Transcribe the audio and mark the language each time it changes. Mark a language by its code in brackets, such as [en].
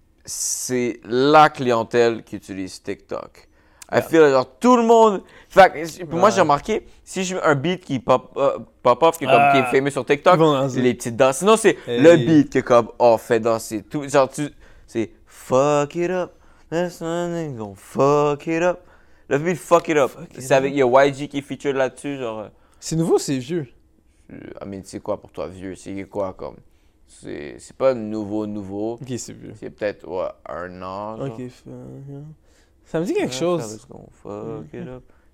[fr] C'est la clientèle qui utilise TikTok. Yeah. [en] I feel like, [fr] genre, tout le monde. Fait ouais. Moi, j'ai remarqué, si j'ai un beat qui pop-off, qui est fameux sur TikTok, bon, c'est les petites danses. Sinon, c'est le beat qui, comme, fait danser. Tout, genre, c'est fuck it up. [en] That's nothing gonna fuck it up. [fr] Le beat fuck it up. Avec, il y a YG qui est featured là-dessus, genre. C'est nouveau, c'est vieux. Ah, mais c'est quoi pour toi, vieux? C'est quoi, comme. C'est pas nouveau. Ok, c'est vieux. C'est peut-être, un an, genre. Ok, ça me dit quelque chose. [en] Fuck it up.